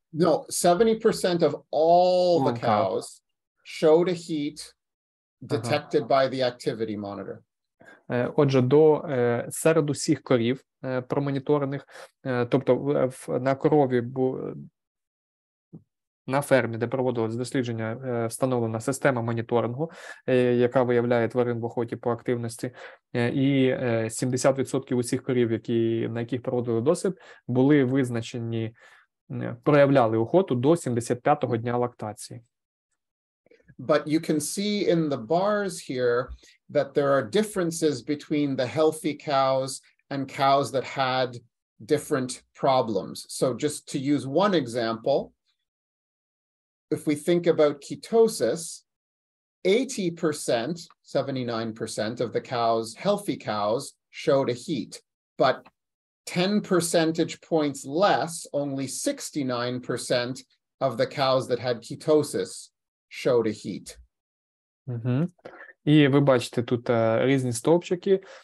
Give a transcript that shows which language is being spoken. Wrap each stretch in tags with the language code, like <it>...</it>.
<en>no 70% of all the cows showed a heat detected by the activity monitor.</en> <uk>Отже, до серед усіх корів промоніторених, тобто на корові на фермі, де проводилось дослідження, встановлена система моніторингу, яка виявляє тварин в охоті по активності, і 70% усіх корів, на яких проводили досвід, були визначені, проявляли охоту до 75-го дня лактації.</uk> <en>But you can see in the bars here that there are differences between the healthy cows and cows that had different problems. So just to use one example, if we think about ketosis, 79% of the cows, healthy cows, showed a heat, but 10 percentage points less, only 69% of the cows that had ketosis showed a heat.</en> <uk>Угу. І ви бачите тут різні стовпчики.</uk>